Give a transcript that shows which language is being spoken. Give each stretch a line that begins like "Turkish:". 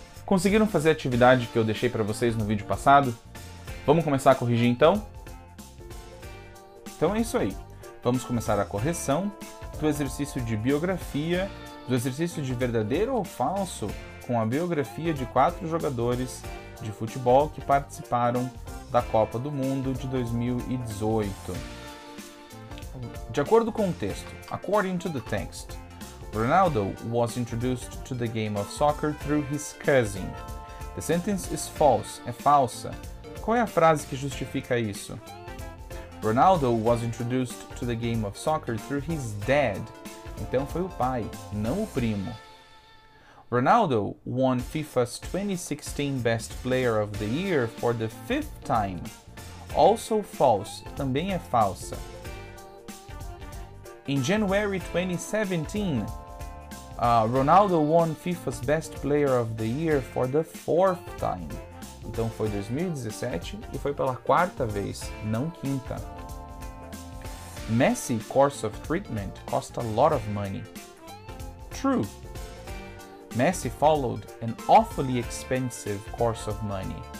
Portuguese: Conseguiram fazer a atividade que eu deixei para vocês no vídeo passado? Vamos começar a corrigir então? Então é isso aí. Vamos começar a correção do exercício de biografia, do exercício de verdadeiro ou falso, com a biografia de quatro jogadores de futebol que participaram da Copa do Mundo de 2018. De acordo com o texto,
English: according to the text, Ronaldo was introduced to the game of soccer through his cousin. The sentence is false.
Portuguese: É falsa. Qual é a frase que justifica isso?
English: Ronaldo was introduced to the game of soccer through his dad.
Portuguese: Então foi o pai, não o primo.
English: Ronaldo won FIFA's 2016 Best Player of the Year for the fifth time. Also false.
Portuguese: Também é falsa.
English: In January 2017, Ronaldo won FIFA's Best Player of the Year for the fourth time.
Portuguese: Então foi 2017 e foi pela quarta vez, não quinta.
English: Messi's course of treatment cost a lot of money. True. Messi followed an awfully expensive course of money.